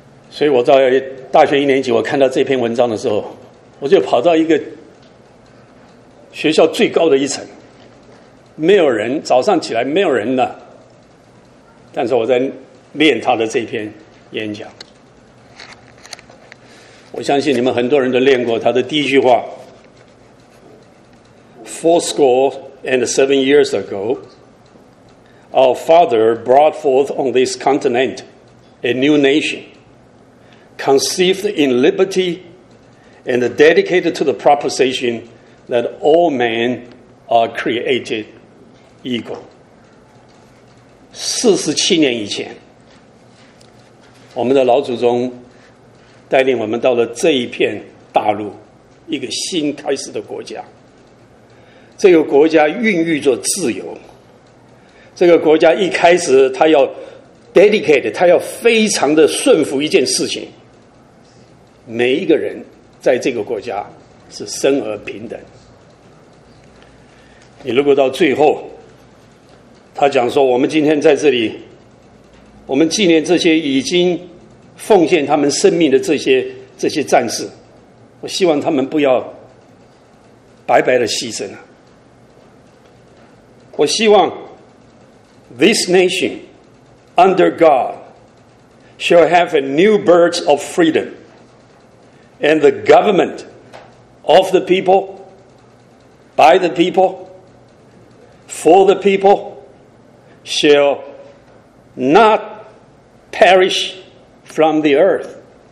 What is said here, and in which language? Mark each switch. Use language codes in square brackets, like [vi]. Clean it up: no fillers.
[zh] 所以我在大学一年级，我看到这篇文章的时候，我就跑到一个学校最高的一层，没有人，早上起来没有人呢，但是我在念他的这篇演讲。我相信你们很多人都念过他的第一句话， [en] 4 score and 7 years ago, our father brought forth on this continent a new nation, conceived in liberty and dedicated to the proposition that all men are created equal. [zh] 47年以前，我们的老祖宗带领我们到了这一片大陆，一个新开始的国家。这个国家孕育着自由，这个国家一开始他要 dedicate， 他要非常的顺服一件事情，每一个人在这个国家是生而平等。你如果到最后他讲说，我们今天在这里，我们纪念这些已经奉献他们生命的这些战士，我希望他们不要白白的牺牲了。我希望 [en] This nation under God shall have a new birth of freedom and the government of the people, by the people, for the people shall not perish from the earth.